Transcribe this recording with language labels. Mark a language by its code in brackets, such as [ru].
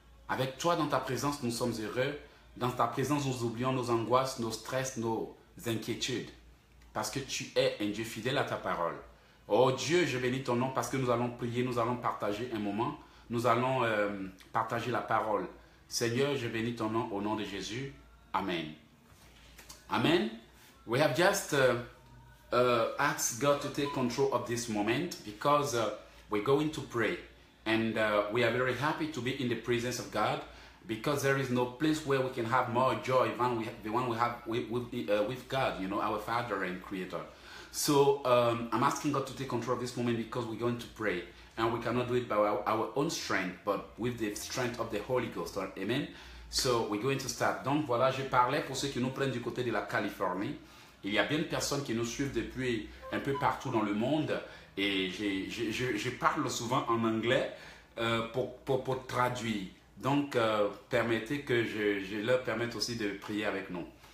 [fr] Avec toi, dans ta présence, nous sommes heureux. Dans ta présence, nous oublions nos angoisses, nos stress, nos inquiétudes. Parce que tu es un Dieu fidèle à ta parole. Oh Dieu, je bénis ton nom parce que nous allons prier, nous allons partager un moment. Nous allons partager la parole. Seigneur, je bénis ton nom au nom de Jésus. Amen. Amen. [en] We have just asked God to take control of this moment because we're going to pray. And we are very happy to be in the presence of God because there is no place where we can have more joy than the one we have with God, you know, our Father and Creator. So I'm asking God to take control of this moment because we're going to pray. And we cannot do it by our own strength, but with the strength of the Holy Ghost. Amen. So we're going to start. [fr] Donc voilà, je parlais pour ceux qui nous prennent du côté de la Californie. Il y a bien des personnes qui nous suivent depuis un peu partout dans le monde. Et je parle souvent en anglais pour traduire. Donc permettez que je leur permette aussi de prier avec nous.